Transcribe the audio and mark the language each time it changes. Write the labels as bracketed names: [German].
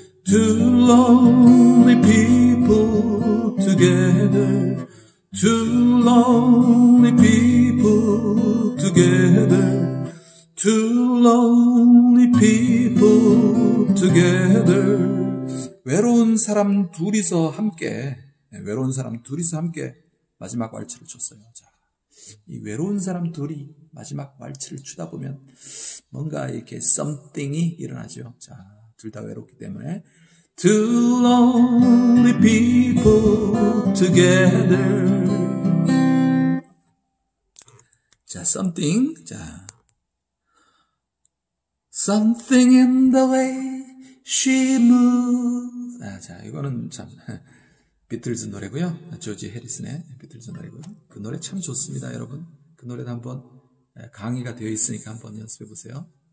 [English] 두 lonely people together. 두 lonely people together. 두 lonely people together. [Korean] 외로운 사람 둘이서 함께. 네, 외로운 사람 둘이서 함께 마지막 왈츠를 췄어요. 자, 이 외로운 사람 둘이 마지막 왈츠를 추다 보면 뭔가 이렇게 something이 일어나죠. 자, 둘 다 외롭기 때문에 [English] Two lonely people together. 자, something. 자, something in the way she moves. [Korean] 아, 자, 이거는 참. 비틀즈 노래고요. 조지 해리슨의 비틀즈 노래고요. 그 노래 참 좋습니다, 여러분. 그 노래도 한번 강의가 되어 있으니까 한번 연습해 보세요.